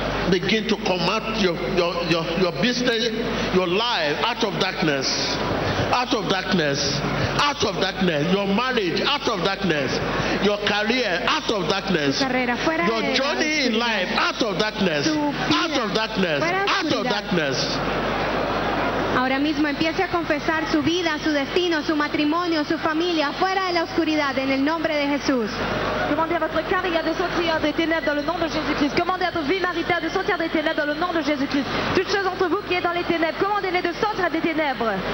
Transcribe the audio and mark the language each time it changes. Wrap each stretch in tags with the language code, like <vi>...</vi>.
<en>Begin to come out your business, your life out of darkness, out of darkness, out of darkness, your marriage out of darkness, your career out of darkness, your journey in life out of darkness, out of darkness, out of darkness.</en> <es>Ahora mismo empiece a confesar su vida, su destino, su matrimonio, su familia, fuera de la oscuridad, en el nombre de Jesús.</es> <fr>Demandez à votre carrière de sortir des ténèbres dans le nom de Jésus-Christ. Commandez à votre vie maritale de sortir des ténèbres dans le nom de Jésus-Christ. Toute chose entre vous qui est dans les ténèbres, commandez-les de sortir des ténèbres.</fr>